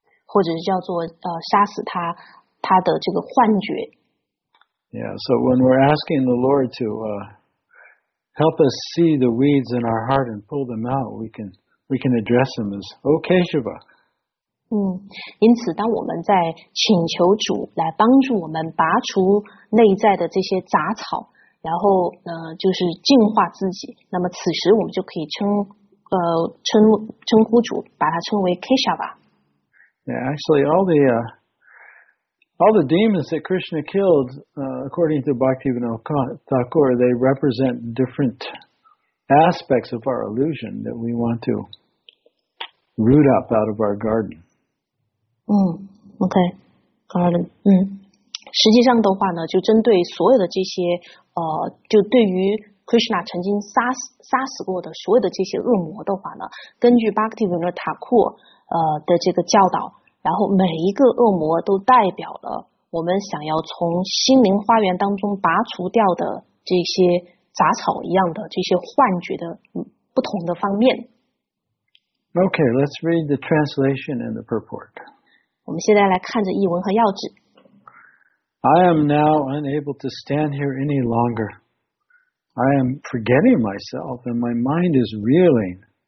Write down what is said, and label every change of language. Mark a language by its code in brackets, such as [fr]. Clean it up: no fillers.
[zh] 或者是叫做杀死他的这个幻觉 [en] Yeah, so when we're asking the Lord to help us see the weeds in our heart and pull them out we can address him as Oh Keshava [zh] 因此当我们在请求主来帮助我们拔除内在的这些杂草然后就是净化自己那么此时我们就可以称称呼主，把他称为 Keshava。 [en] Yeah, actually, all the demons that Krishna killed, according to Bhaktivinoda Thakur, they represent different aspects of our illusion that we want to root up out of our garden. Okay, garden. [zh] 实际上的话呢，就针对所有的这些，就对于 Krishna 曾经杀死过的所有的这些恶魔的话呢，根据 Bhaktivinoda Thakur的这个教导，然后每一个恶魔都代表了我们想要从心灵花园当中拔除掉的这些杂草一样的这些幻觉的不同的方面。 [en] Okay, let's read the translation and the purport. [zh] 我们现在来看着译文和要旨。 [en] I am now unable to stand here any longer. I am forgetting myself and my mind is reeling.